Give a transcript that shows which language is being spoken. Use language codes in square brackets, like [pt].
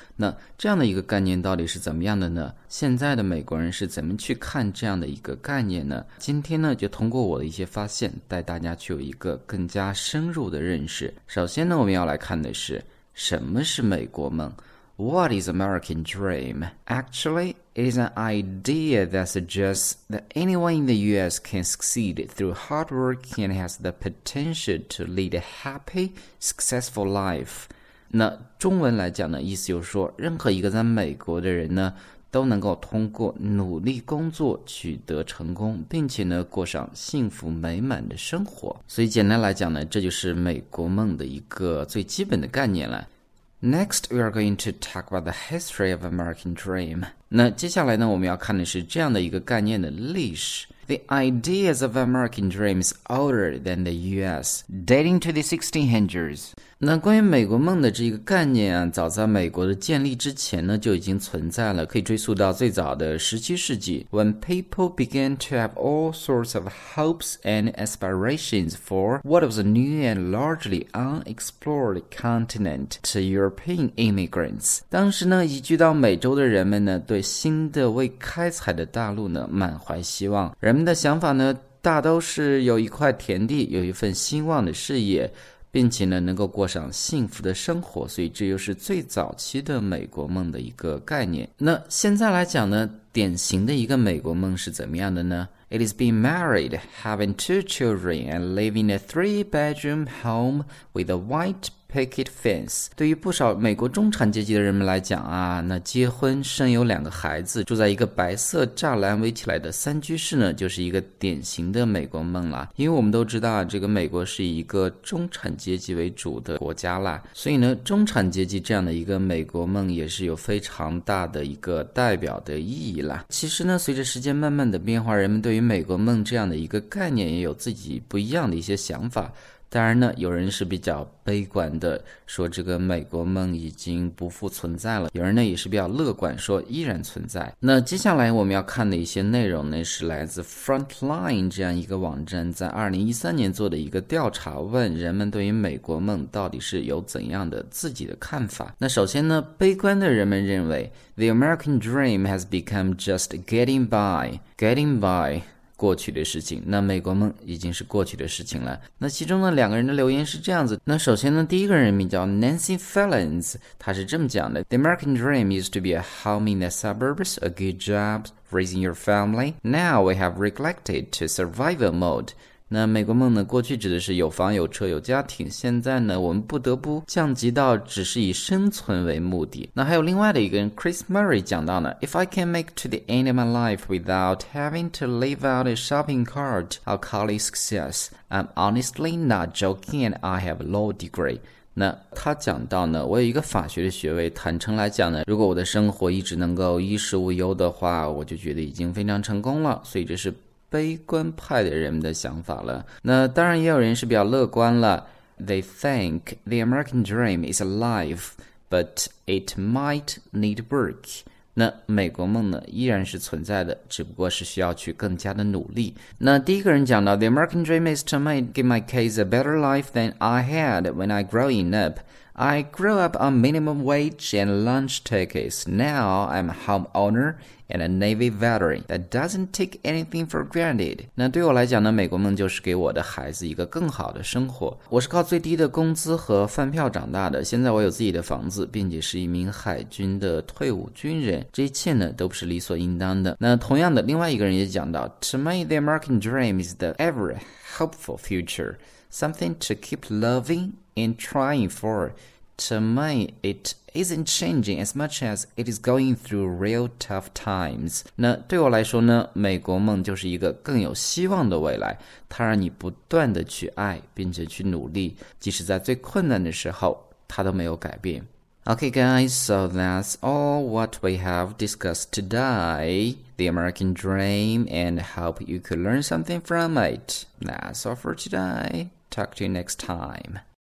[zh] 那这样的一个概念到底是怎么样的呢？现在的美国人是怎么去看这样的一个概念呢？今天呢，就通过我的一些发现，带大家去有一个更加深入的认识。首先呢，我们要来看的是什么是美国梦。 [en] What is American Dream? Actually, it is an idea that suggests that anyone in the U.S. can succeed through hard work and has the potential to lead a happy, successful life. [zh] 那中文来讲呢，意思就是说，任何一个在美国的人呢，都能够通过努力工作取得成功，并且呢，过上幸福美满的生活。所以简单来讲呢，这就是美国梦的一个最基本的概念了。 [en] Next, we are going to talk about the history of American Dream. [zh] 那接下来呢，我们要看的是这样的一个概念的历史。 [en] The ideas of American Dream is older than the U.S., dating to the 1600s. [zh] 那关于美国梦的这个概念啊，早在美国的建立之前呢，就已经存在了，可以追溯到最早的17世纪。 [en] When people began to have all sorts of hopes and aspirations for what was a new and largely unexplored continent to European immigrants. [zh] 当时呢，移居到美洲的人们呢，对新的未开采的大陆呢，满怀希望。人们的想法呢，大都是有一块田地，有一份兴旺的事业，并且呢，能够过上幸福的生活，所以这又是最早期的美国梦的一个概念。那现在来讲呢，典型的一个美国梦是怎么样的呢？ [en] It is being married, having two children, and living in a three-bedroom home with a white picket fence. [zh] 对于不少美国中产阶级的人们来讲啊，那结婚、生有两个孩子、住在一个白色栅栏围起来的三居室呢，就是一个典型的美国梦了。因为我们都知道啊，这个美国是以一个中产阶级为主的国家啦，所以呢，中产阶级这样的一个美国梦也是有非常大的一个代表的意义啦。其实呢，随着时间慢慢的变化，人们对于美国梦这样的一个概念也有自己不一样的一些想法。当然呢，有人是比较悲观的，说这个美国梦已经不复存在了，有人呢也是比较乐观，说依然存在。那接下来我们要看的一些内容呢，是来自 Frontline 这样一个网站在2013年做的一个调查，问人们对于美国梦到底是有怎样的自己的看法。那首先呢，悲观的人们认为 [en] The American Dream has become just getting by, getting by. [zh] 过去的事情，那美国梦已经是过去的事情了。那其中呢，两个人的留言是这样子。那首先呢，第一个人名叫 [en] Nancy Fellens， [zh] 他是这么讲的 [en] ：The American dream used to be a home in the suburbs, a good job, raising your family. Now we have relegated to survival mode. [zh] 那美国梦呢，过去指的是有房有车有家庭，现在呢，我们不得不降级到只是以生存为目的。那还有另外的一个人 [en] Chris Murray [zh] 讲到呢， [en] If I can make to the end of my life without having to leave out a shopping cart, I'll call it success. I'm honestly not joking, I have a law degree. [zh] 那他讲到呢，我有一个法学的学位，坦诚来讲呢，如果我的生活一直能够衣食无忧的话，我就觉得已经非常成功了。所以这是悲观派的人们的想法了。那当然也有人是比较乐观了。 [en] They think the American dream is alive, but it might need work. [zh] 那美国梦呢依然是存在的，只不过是需要去更加的努力。那第一个人讲到 [en] The American dream is to make my kids a better life than I had when I growing up. I grew up on minimum wage and lunch tickets. Now I'm a homeowner. And a Navy veteran that doesn't take anything for granted. [zh] 那对我来讲呢，美国梦就是给我的孩子一个更好的生活。我是靠最低的工资和饭票长大的，现在我有自己的房子，并且是一名海军的退伍军人。这一切呢，都不是理所应当的。那同样的，另外一个人也讲到 [en] ，To me, the American dream is the ever hopeful future, something to keep loving and trying for. To me, it isn't changing as much as it is going through real tough times. [zh] 那对我来说呢，美国梦就是一个更有希望的未来，它让你不断的去爱，并且去努力，即使在最困难的时候，它都没有改变。 [en] Okay guys, so that's all what we have discussed today. The American Dream, and hope you could learn something from it. That's all for today. Talk to you next time.